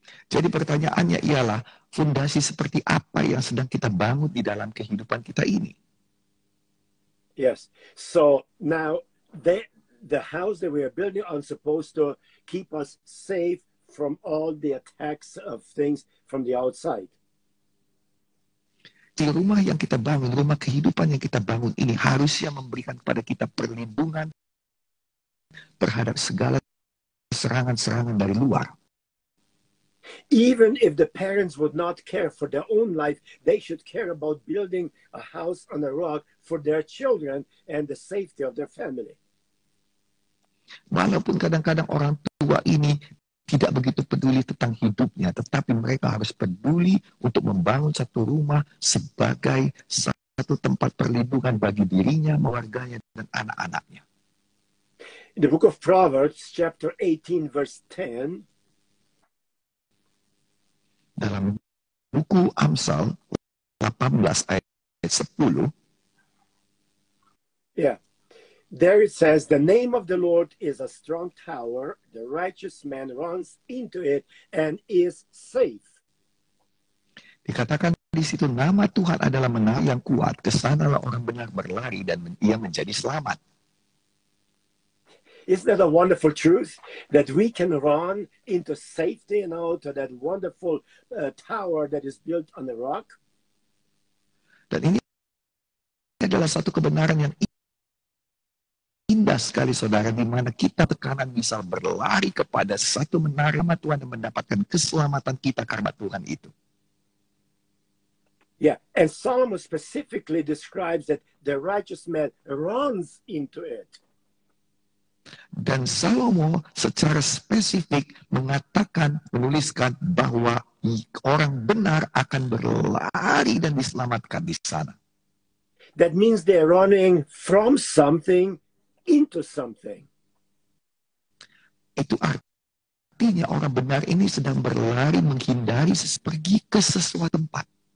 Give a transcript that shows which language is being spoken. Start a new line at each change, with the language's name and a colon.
Indonesian: Jadi pertanyaannya ialah, fondasi seperti apa yang sedang kita bangun di dalam kehidupan kita ini?
English: Yes. So now the house that we are building on supposed to keep us safe from all the attacks of things from the outside.
Indonesian: Di rumah yang kita bangun, rumah kehidupan yang kita bangun ini harusnya memberikan kepada kita perlindungan terhadap segala serangan-serangan dari luar.
English: Even if the parents would not care for their own life, they should care about building a house on a rock for their children and the safety of their family.
Indonesian: Walaupun kadang-kadang orang tua ini tidak begitu peduli tentang hidupnya, tetapi mereka harus peduli untuk membangun satu rumah sebagai satu tempat perlindungan bagi dirinya, keluarganya, dan anak-anaknya.
English: In the book of Proverbs, chapter 18, verse 10.
Indonesian: Dalam buku Amsal, 18, ayat 10.
English: Yeah. There it says, the name of the Lord is a strong tower. The righteous man runs into it and is safe.
Indonesian: Dikatakan di situ, nama Tuhan adalah menara yang kuat. Kesanalah orang benar berlari dan ia menjadi selamat.
English: Isn't that a wonderful truth? That we can run into safety and out of that wonderful tower that is built on the rock?
Indonesian: Dan ini adalah satu kebenaran yang indah sekali, saudara, di mana kita tekanan bisa berlari kepada satu menara Tuhan dan mendapatkan keselamatan kita karena Tuhan itu.
English: Yeah, and Solomon specifically describes that the righteous man runs into it.
Indonesian: Dan Salomo secara spesifik mengatakan, menuliskan bahwa orang benar akan berlari dan diselamatkan di sana.
English: That means they're running from something into something.
Indonesian: Itu artinya orang benar ini sedang berlari menghindari pergi ke sesuatu tempat.